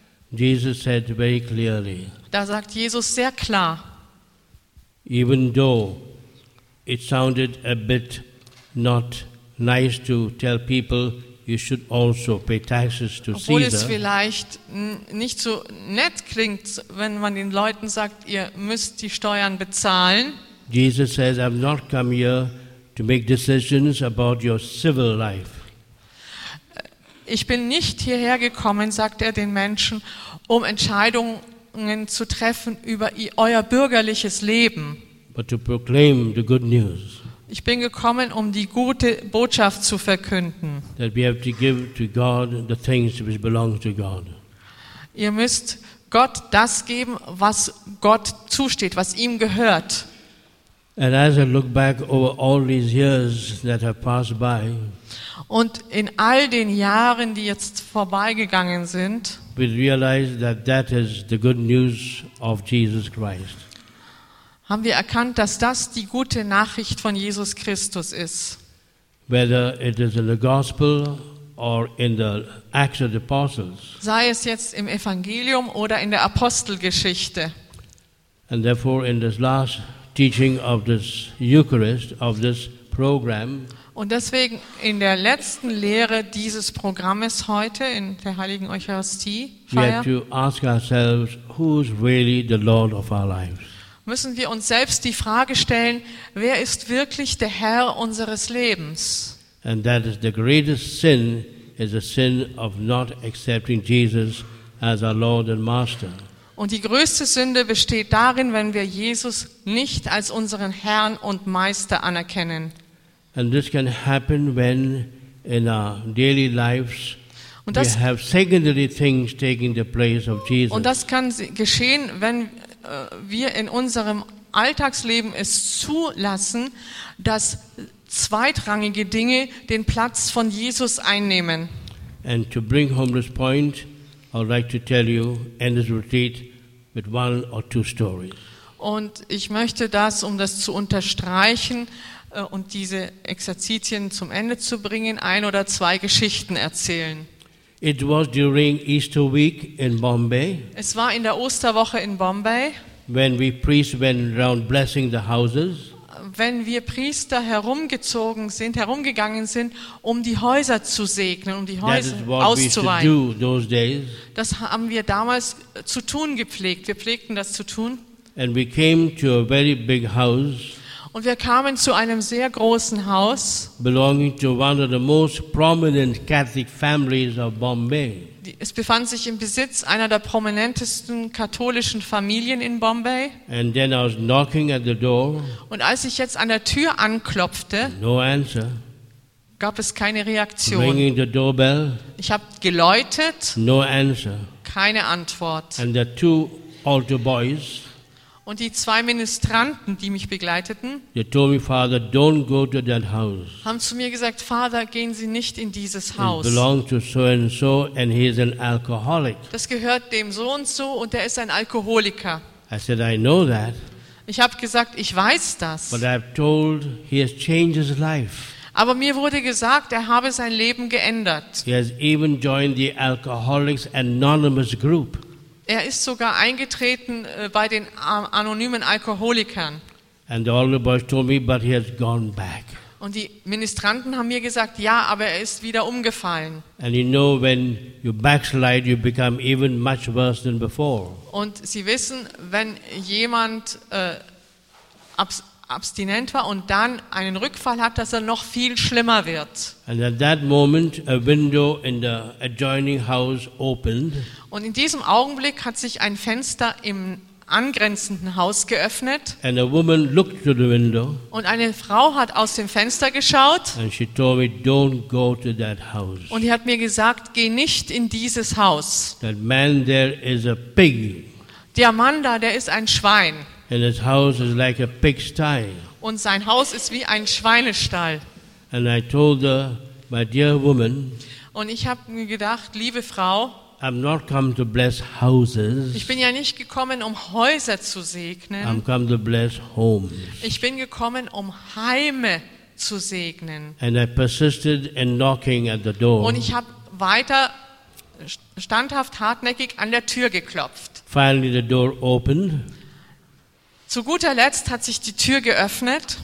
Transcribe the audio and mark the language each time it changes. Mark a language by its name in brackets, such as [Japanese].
[English] Jesus said very clearly, [German] da sagt Jesus sehr klar, [English] even though it sounded a bit not nice to tell people you should also pay taxes to [German] obwohl obwohl es vielleicht nicht so nett klingt, wenn man den Leuten sagt, ihr müsst die Steuern bezahlen, [English] Jesus says, I've not come here to make decisions about your civil life. [German] Ich bin nicht hierher gekommen, sagt er den Menschen, um Entscheidungen zu treffen über euer bürgerliches Leben. [English] But to proclaim the good news. [German] Ich bin gekommen, um die gute Botschaft zu verkünden. [English] That we have to give to God the things which belong to God. [German] Ihr müsst Gott das geben, was Gott zusteht, was ihm gehört. [English] And as I look back over all these years that have passed by, [German] und in all den Jahren, die jetzt vorbeigegangen sind, [English] we realize that that is the good news of Jesus Christ. [German] Haben wir erkannt, dass das die gute Nachricht von Jesus Christus ist. [English] Whether it is in the gospel or in the Acts of the Apostles. [German] Sei es jetzt im Evangelium oder in der Apostelgeschichte. [English] And therefore in this last teaching of this Eucharist, of this program, [German] und deswegen in der letzten Lehre dieses Programmes heute in der Heiligen Eucharistie-Feier, [English] we have to ask ourselves, who is really the Lord of our lives? [German] müssen wir uns selbst die Frage stellen, wer ist wirklich der Herr unseres Lebens? [English] And that is the greatest sin is the sin of not accepting Jesus as our Lord and Master. [German] Und die größte Sünde besteht darin, wenn wir Jesus nicht als unseren Herrn und Meister anerkennen. [English] And this can happen when in our daily lives we have secondary things taking the place of Jesus. [German] Und das kann geschehen, wenn wir in unserem Alltagsleben es zulassen, dass zweitrangige Dinge den Platz von Jesus einnehmen. [English] And to bring home this point, I'd like to tell you, end this retreat with one or two stories. [German] Und ich möchte das, um das zu unterstreichen und diese Exerzitien zum Ende zu bringen, ein oder zwei Geschichten erzählen. [English] It was during Easter week in Bombay. [German] Es war in der Osterwoche in Bombay. [English] When we priests went around blessing the houses. [German] Wenn wir Priester herumgegangen sind, um die Häuser zu segnen, um die Häuser auszuweihen. Das haben wir damals zu tun gepflegt. Wir pflegten das zu tun. [English] And we came to a very big house. [German] Und wir kamen zu einem sehr großen Haus, [English] belonging to one of the most prominent Catholic families of Bombay. [German] Es befand sich im Besitz einer der prominentesten katholischen Familien in Bombay. [English] And then I was knocking at the door. [German] Und als ich jetzt an der Tür anklopfte, [English] no answer. [German] Gab es keine Reaktion. [English] Ringing the doorbell. [German] Ich habe geläutet, [English] no answer. [German] Keine Antwort. [English] And the two altar boys. [German] Und die zwei Ministranten, die mich begleiteten, [English] they told me, Father, don't go to that house. [German] Haben zu mir gesagt, Vater, gehen Sie nicht in dieses Haus. [English] It belongs to so and so, and he is an alcoholic. [German] Das gehört dem so und so und er ist ein Alkoholiker. [English] I said, I know that. [German] Ich habe gesagt, ich weiß das. [English] But I've told, he has changed his life. [German] Aber mir wurde gesagt, er habe sein Leben geändert. [English] He has even joined the Alcoholics Anonymous group. [German] Er ist sogar eingetreten bei den anonymen Alkoholikern. [English] And the older boys told me, but he has gone back. [German] Und die Ministranten haben mir gesagt, ja, aber er ist wieder umgefallen. [English] And you know, when you backslide, you become even much worse than before. [German] Und sie wissen, wenn jemand abstinent war und dann einen Rückfall hat, dass er noch viel schlimmer wird. [English] And at that moment, a window in the adjoining house opened. [German] Und in diesem Augenblick hat sich ein Fenster im angrenzenden Haus geöffnet. [English] And a woman looked through the window. [German] Und eine Frau hat aus dem Fenster geschaut. [English] And she told me, don't go to that house. [German] Und sie hat mir gesagt, geh nicht in dieses Haus. [English] That man there is a pig. [German] Der Mann da, der ist ein Schwein. [English] And his house is like a pigsty. [German] Und sein Haus ist wie ein Schweinestall. [English] And I told her, my dear woman, [German] und ich habe mir gedacht, liebe Frau, [English] I'm not come to bless houses. [German] Ich bin ja nicht gekommen, um Häuser zu segnen. [English] I'm come to bless homes. [German] Ich bin gekommen, um Heime zu segnen. [English] And I persisted in knocking at the door. [German] Und ich habe weiter standhaft, hartnäckig an der Tür geklopft. [English] Finally the door opened. [German] Zu guter Letzt hat sich die Tür geöffnet.